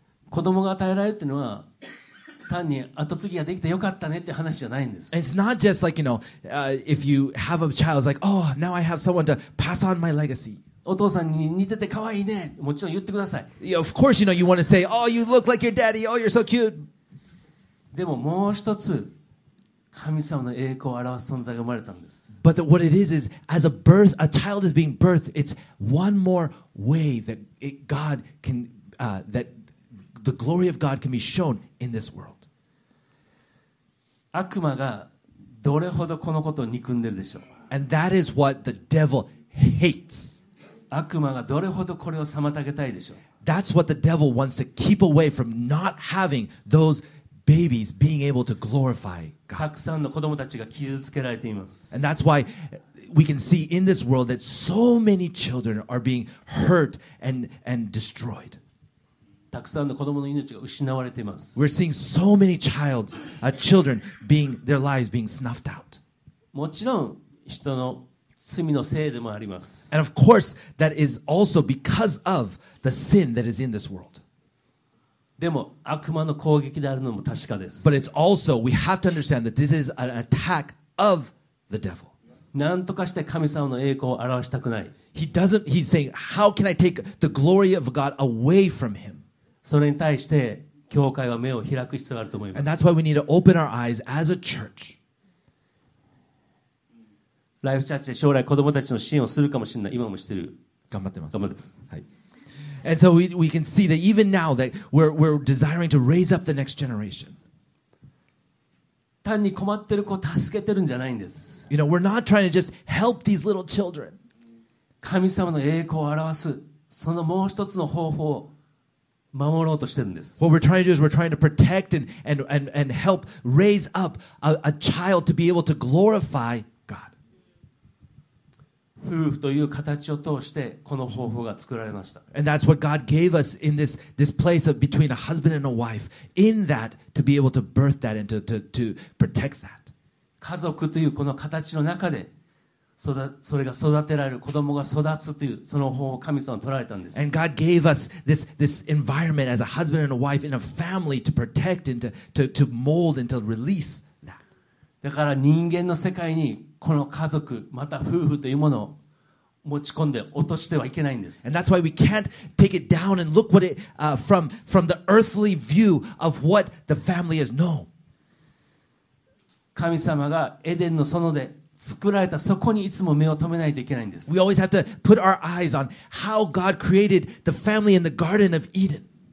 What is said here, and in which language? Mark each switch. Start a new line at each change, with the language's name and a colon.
Japanese: 子供が与えられるというのは単に後継ぎができてよかったねって話じゃないんです。
English: It's not just like, you know, if you have a child, it's like, oh, now I have someone to pass on my legacy.
Japanese: お父さんに似てて可愛いね。もちろん言ってください。
English: Yeah, of course, you know, you want to say, oh, you look like your daddy. Oh, you're so cute.
Japanese: でももう一つ神様の栄光を表す存在が生まれたんです。
English: But what it is as a birth, a child is being birthed, it's one more way that God can, that the glory of God can be shown in this world.
Japanese: 悪魔がどれほどこのことを憎んでるでしょう?
English: And that is what the devil hates.
Japanese: 悪魔がどれほどこれを妨げたいでしょう?
English: That's what the devil wants to keep away from not having those babies being able to glorify.
Japanese: たくさんの子供たちが傷つけられています。
English: And that's why we can see in this world that so many children are being hurt and destroyed.
Japanese: たくさんの子供の命が失われています。
English: We're seeing so many children being their lives being snuffed out.
Japanese: もちろん人の罪のせいでもあります。
English: And of course that is also because of the sin that is in this world.
Japanese: でも悪魔の攻撃であるのも確かです。
English: But it's also, we have to understand that this is an attack of the devil.
Japanese: 何とかして神様の栄光を表したくない。
English: He's saying, how can I take the glory of God away from him?
Japanese: それに対して教会は目を開く必要があると思います。
English: And that's why we need to open our eyes as a church.
Japanese: ライフチャーチで将来子供たちの支援をするかもしれない。今もしてる。頑張ってます。頑張ってます。はい。
English: And so we can see that even now that we're desiring to raise up the next generation.
Japanese: 単に困ってる子を助けてるんじゃないんです。
English: You know, we're not trying to just help these little children.
Japanese: 神様の栄光を表すそのもう一つの方法を守ろうとしてるんです。
English: What we're trying to do is we're trying to protect and help raise up a child to be able to glorify God.
Japanese: 夫婦という形を通してこの方法が作られました。
English: And that's what God gave us in this place of between a husband and a wife. In that, to be able to birth that and to protect that.
Japanese: 家族というこの形の中で それが育てられる子供が育つというその方法を神様は取られたんです。
English: And God gave us this environment as a husband and a wife in a family to protect and to mold and to release that.
Japanese: だから人間の世界にこの家族また夫婦というものを持ち込んで落としてはいけないんです。
English: And that's why we can't take it down and look what it, from the earthly view of what the family is. No.
Japanese: 神様がエデンの園で作られたそこにいつも目を留めないといけないんです。
English: We always have to put our eyes on how God created the family in the Garden of Eden.